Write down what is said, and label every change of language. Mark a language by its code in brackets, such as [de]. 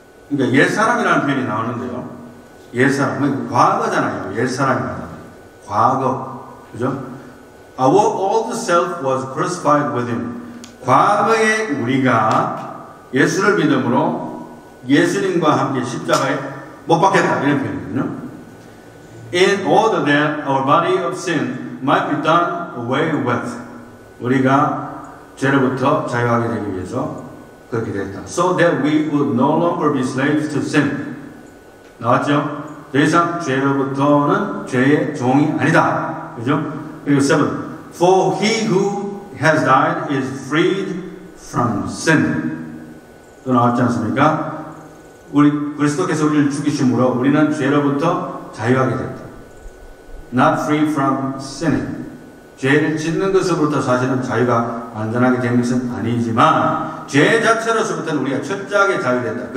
[ko] 그러니까 옛사람이라는 표현이 나오는데요. 옛사람, 과거잖아요. 옛사람이라는 과거, 그죠? [en] Our old self was crucified with him. [ko] 과거에 우리가 예수를 믿음으로 예수님과 함께 십자가에 못 박혔다, 이런 표현이거든요. [en] In order that our body of sin might be done away with. [ko] 우리가 죄로부터 자유하게 되기 위해서 그렇게 됐다. [en] So that we would no longer be slaves to sin. [ko] 나왔죠? 더 이상 죄로부터는 죄의 종이 아니다. 그죠? 그리고 7. [en] For he who has died is freed from sin. [ko] 또 나왔지 않습니까? 우리 그리스도께서 우리를 죽이심으로 우리는 죄로부터 자유하게 됐다. [en] Not free from sinning. [ko] 죄를 짓는 것으로부터 사실은 자유가 완전하게 된 것은 아니지만 죄 자체로서부터는 우리가 철저하게 자유됐다.